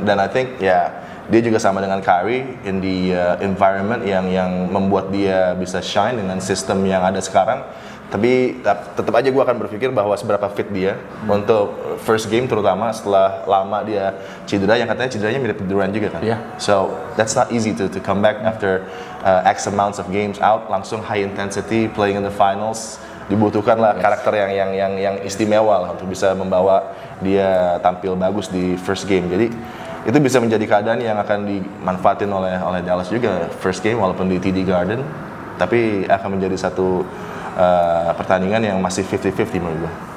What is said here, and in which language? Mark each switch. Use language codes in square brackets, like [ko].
[id] Dan [en] I think [id] dia juga sama dengan Kyrie [en] in the environment [id] yang membuat dia bisa shine dengan sistem yang ada sekarang. Tapi tetap aja gue akan berpikir bahwa seberapa fit dia untuk first game, terutama setelah lama dia cedera, yang katanya cederanya mirip Durant juga kan. [en] So that's not easy to come back after X amounts of games out, langsung high intensity playing in the finals. [id] Dibutuhkanlah karakter yang istimewa lah untuk bisa membawa dia tampil bagus di first game. Jadi itu bisa menjadi keadaan yang akan dimanfaatin oleh Dallas juga first game, walaupun di TD Garden, tapi akan menjadi satu pertandingan yang masih 50-50 menurut gue.